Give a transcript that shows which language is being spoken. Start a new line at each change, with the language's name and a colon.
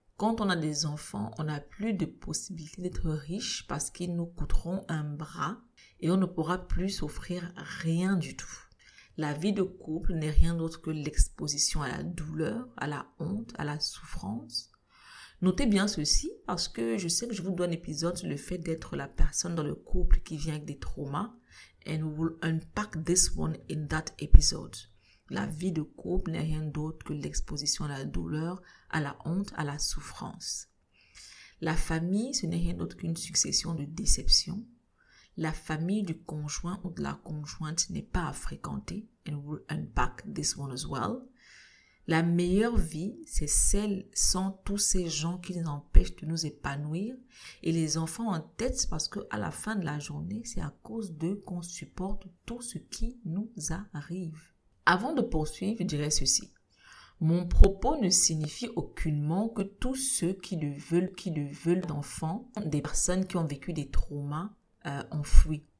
French: Quand on a des enfants, on n'a plus de possibilité d'être riche parce qu'ils nous coûteront un bras et on ne pourra plus s'offrir rien du tout. La vie de couple n'est rien d'autre que l'exposition à la douleur, à la honte, à la souffrance. Notez bien ceci parce que je sais que je vous dois un épisode sur le fait d'être la personne dans le couple qui vient avec des traumas.
English: And we will unpack this one in that episode.
French: La vie de couple n'est rien d'autre que l'exposition à la douleur, à la honte, à la souffrance. La famille, ce n'est rien d'autre qu'une succession de déceptions. La famille du conjoint ou de la conjointe n'est pas à fréquenter.
English: And we will unpack this one as well.
French: La meilleure vie, c'est celle sans tous ces gens qui nous empêchent de nous épanouir. Et les enfants en tête, c'est parce qu'à la fin de la journée, c'est à cause d'eux qu'on supporte tout ce qui nous arrive. Avant de poursuivre, je dirais ceci. Mon propos ne signifie aucunement que tous ceux qui ne veulent d'enfants, des personnes qui ont vécu des traumas enfouis.